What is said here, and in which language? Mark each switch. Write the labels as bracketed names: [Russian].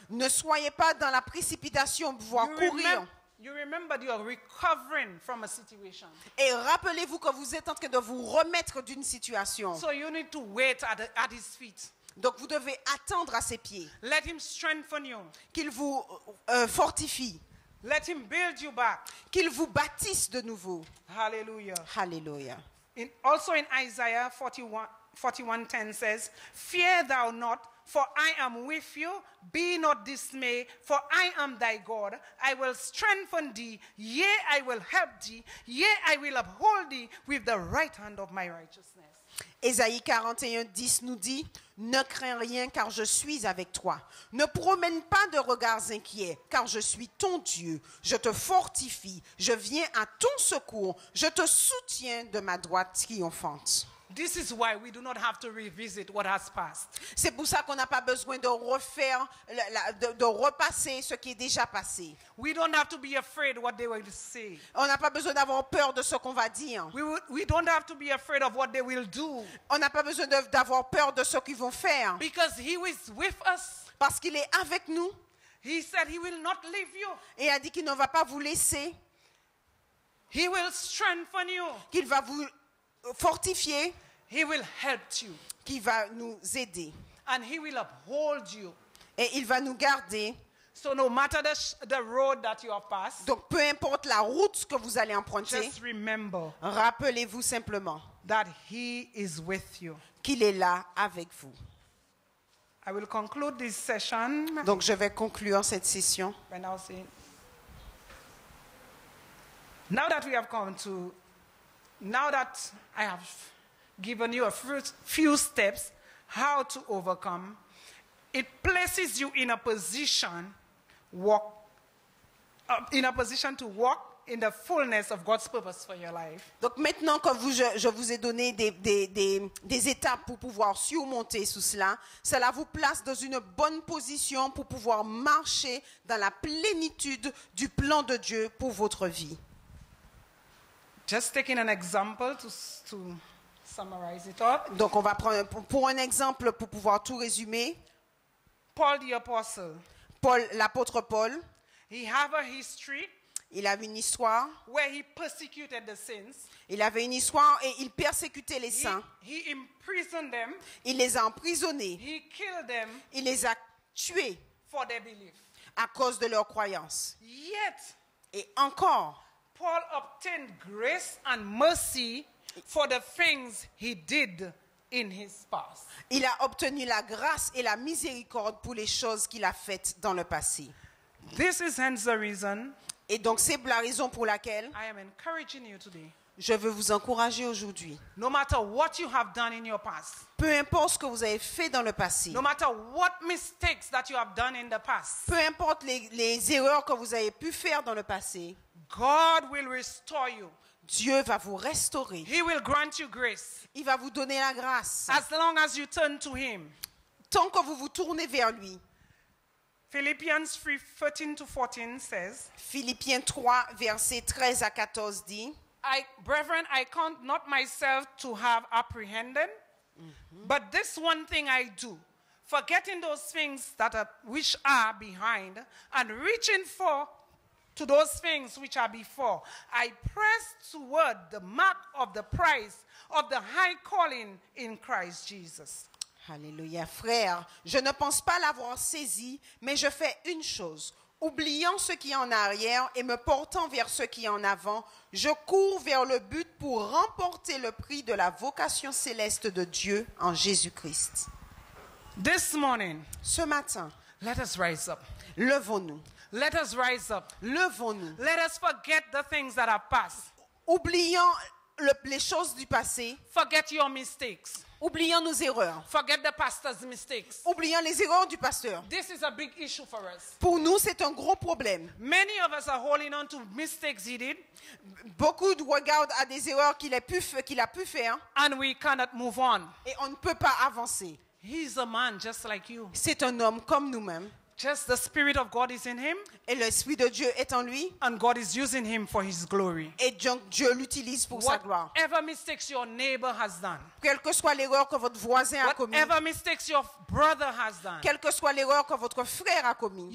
[French] Ne soyez pas dans la précipitation pour pouvoir courir. [English] You remember you are recovering from a situation. [French] Et rappelez-vous que vous êtes en train de vous remettre d'une situation. [English] So you need to wait at his feet. [French] Donc vous devez attendre à ses pieds. [English] Let him strengthen you. [French] Qu'il vous fortifie. [English] Let him build you back. [French] Qu'il vous bâtisse de nouveau. Hallelujah. Hallelujah. [English] Also in Isaiah 41:10 says, "Fear thou not, for I am with you. Be not dismayed, for I am thy God. I will strengthen thee, yea, I will help thee, yea, I will uphold thee with the right hand of my righteousness." [French] Ésaïe 41:10 nous dit, ne crains rien car je suis avec toi. Ne promène pas de regards inquiets car je suis ton Dieu. Je te fortifie, je viens à ton secours, je te soutiens de ma droite triomphante. [English] This is why we do not have to revisit what has passed. [French] C'est pour ça qu'on n'a pas besoin de refaire, de repasser ce qui est déjà passé. [English] We don't have to be afraid what they will say. [French] On n'a pas besoin d'avoir peur de ce qu'on va dire. [English] We don't have to be afraid of what they will do. [French] On n'a pas besoin d'avoir peur de ce qu'ils vont faire. [English] Because he is with us. [French] Parce qu'il est avec nous. [English] He said he will not leave you. [French] Et a dit qu'il ne va pas vous laisser. [English] He will strengthen you. [French] Qu'il va vous fortifié, [English] he will help you. [French] Qui va nous aider. [English] And he will uphold you. [French] Et il va nous garder. [English] So no matter the road that you have passed, [French] donc peu importe la route que vous allez emprunter, [English] just remember, [French] rappelez-vous simplement [English] that he is with you. [French] Qu'il est là avec vous. [English] I will conclude this session. [French] Donc je vais conclure cette session. [English] Now that we have come to Now that I have given you a few steps how to overcome, it places you in a position to walk in the fullness of God's purpose for your life. [French] Donc maintenant que je vous ai donné des étapes pour pouvoir surmonter sous cela, cela vous place dans une bonne position pour pouvoir marcher dans la plénitude du plan de Dieu pour votre vie. [English] Just taking an example to summarize it up. [French] Donc on va prendre pour un exemple pour pouvoir tout résumer. [English] Paul the apostle. [French] Paul l'apôtre Paul. [English] He have a history. [French] Il avait une histoire. [English] Where he persecuted the saints. [French] Il avait une histoire et il persécutait les saints. [English] He imprisoned them. [French] Il les a emprisonnés. [English] He killed them. [French] Il les a tués. [English] For their belief. [French] À cause de leur croyance. [English] Yet. [French] Et encore. [English] Paul obtained grace and mercy for the things he did in his past. [French] Il a obtenu la grâce et la miséricorde pour les choses qu'il a faites dans le passé. [English] This is hence the reason. [French] Et donc c'est la raison pour laquelle [English] I am encouraging you today. [French] Je veux vous encourager aujourd'hui. [English] No matter what you have done in your past. [French] Peu importe ce que vous avez fait dans le passé. [English] No matter what mistakes that you have done in the past. [French] Peu importe les erreurs que vous avez pu faire dans le passé. [English] God will restore you. [French] Dieu va vous restaurer. [English] He will grant you grace. [French] Il va vous donner la grâce. [English] As long as you turn to him. [French] Tant que vous vous tournez vers lui. [English] Philippians 3:13-14 says. [French] Philippiens 3 verset 13 à 14 dit. [English] Brethren, I count not myself to have apprehended, but this one thing I do, forgetting those things that are, which are behind and reaching for to those things which are before, I press toward the mark of the prize of the high calling in Christ Jesus. Alléluia. [French] Frère, je ne pense pas l'avoir saisi, mais je fais une chose. Oubliant ce qui est en arrière et me portant vers ce qui est en avant, je cours vers le but pour remporter le prix de la vocation céleste de Dieu en Jésus-Christ. [English] This morning, [French] ce matin, [English] let us rise up. [French] Levons-nous. [English] Let us rise up. [French] Levons-nous. [English] Let us forget the things that have passed. [French] Oublions les choses du passé. [English] Forget your mistakes. [French] Oublions nos erreurs. [English] Forget the pastor's mistakes. [French] Oublions les erreurs du pasteur. [English] This is a big issue for us. [French] Pour nous, c'est un gros problème. [English] Many of us are holding on to mistakes he did. [French] Beaucoup regardent à des erreurs qu'il a pu faire. [English] And we cannot move on. [French] Et on ne peut pas avancer. [English] He's a man just like you. [French] C'est un homme comme nous-mêmes. [English] Just the spirit of God is in him. [French] Et l'esprit de Dieu est en lui. [English] And God is using him for his glory. [French] Et donc Dieu l'utilise pour [English] whatever [French] sa gloire. [English] Whatever mistakes your neighbor has done. [French] Quelle que soit l'erreur que votre voisin a commis. [English] Whatever mistakes your brother has done. [French] Quelle que soit l'erreur que votre frère a commis.